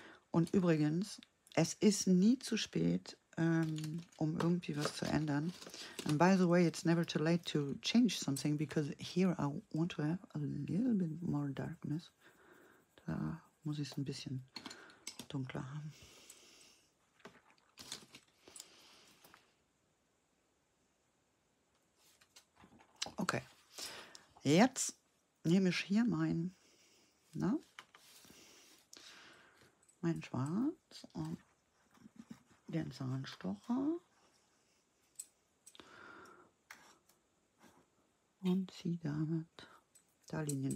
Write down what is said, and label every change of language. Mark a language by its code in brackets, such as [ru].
[de] Und übrigens, es ist nie zu spät, um irgendwie was zu ändern. [en] And by the way, it's never too late to change something, because here I want to have a little bit more darkness. [de] Da muss ich es ein bisschen dunkler haben. Okay, jetzt nehme ich hier mein Schwarz und den Zahnstocher und ziehe damit da Linien.